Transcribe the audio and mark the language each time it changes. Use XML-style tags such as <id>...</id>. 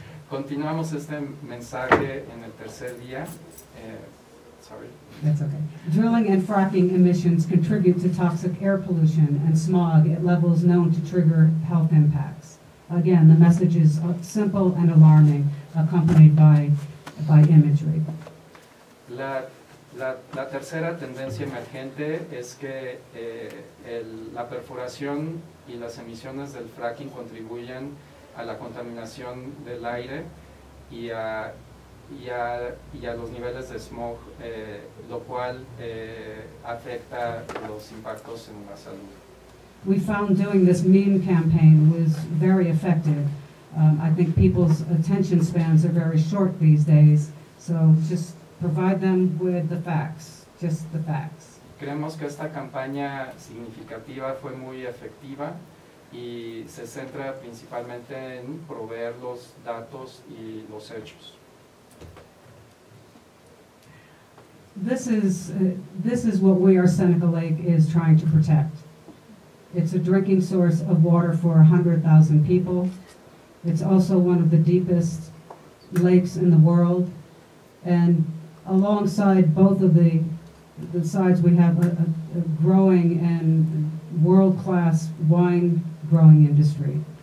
<es>Continuamos este mensaje en el tercer día.</es> <en>That's okay. Drilling and fracking emissions contribute to toxic air pollution and smog at levels known to trigger health impacts. Again, the message is simple and alarming, accompanied by imagery.</en> <es>La tercera tendencia emergente es que la perforación y las emisiones del fracking contribuyen a la contaminación del aire y a los niveles de smog, lo cual afecta los impactos en la salud.</es> <en>We found doing this meme campaign was very effective. I think people's attention spans are very short these days, so just provide them with the facts, just the facts.</en> <es>Creemos que esta campaña significativa fue muy efectiva. y se centra principalmente en proveer los datos y los hechos.</es> <en>This is what we are Seneca Lake is trying to protect. It's a drinking source of water for 100,000 people. It's also one of the deepest lakes in the world. And alongside both of the sides, we have a growing and world-class wine growing industry.</en>